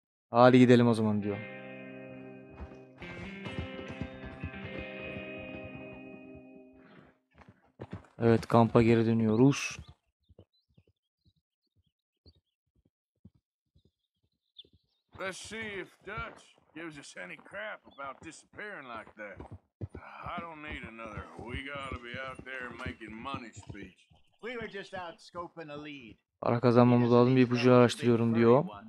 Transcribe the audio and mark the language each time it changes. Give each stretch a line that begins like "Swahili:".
Turkish: Hadi gidelim o zaman diyor. Evet, kampa geri dönüyoruz.
English: Let's see if Dutch gives us any crap about disappearing like that. I don't need another. We gotta be out there making money speech. We were just out scoping a lead.
Turkish: Para kazanmamız lazım, bir ipucu araştırıyorum diyor.